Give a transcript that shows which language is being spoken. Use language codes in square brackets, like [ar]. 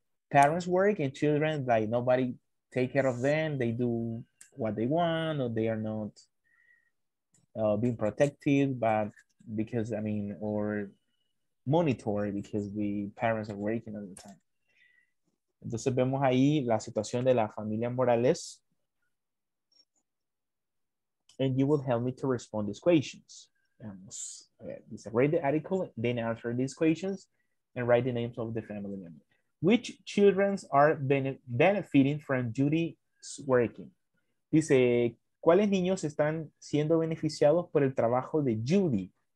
[en] Parents work and children, like nobody take care of them. They do what they want, or they are not being protected, but because, I mean, or monitored because the parents are working all the time. [es] Entonces vemos ahí la situación de la familia Morales. [en] And you will help me to respond these questions. [es] Vamos a ver, dice, [en] read the article, then answer these questions and write the names of the family members. Which children are benefiting from Judy's working? [es] Dice, ¿cuáles niños están siendo beneficiados por el trabajo de Judy?